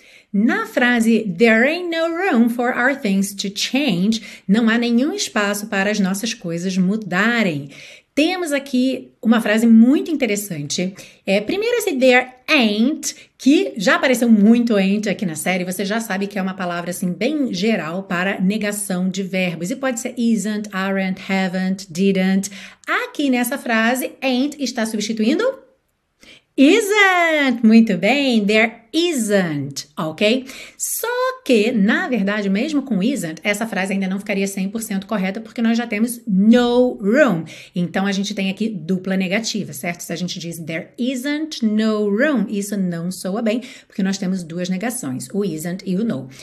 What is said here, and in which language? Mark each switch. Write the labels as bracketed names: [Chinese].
[Portuguese] Na frase, [English] there ain't no room for our things to change, [Portuguese] não há nenhum espaço para as nossas coisas mudarem. Temos aqui uma frase muito interessante. Primeiro esse there ain't, que já apareceu muito ain't aqui na série, você já sabe que é uma palavra assim bem geral para negação de verbos. E pode ser isn't, aren't, haven't, didn't. Aqui nessa frase, ain't está substituindo isn't. Muito bem, there isn't, ok? Só que, na verdade, mesmo com isn't, essa frase ainda não ficaria 100% correta porque nós já temos no room. Então, a gente tem aqui dupla negativa, certo? Se a gente diz [English] there isn't no room, [Portuguese] isso não soa bem porque nós temos duas negações, o isn't e o no.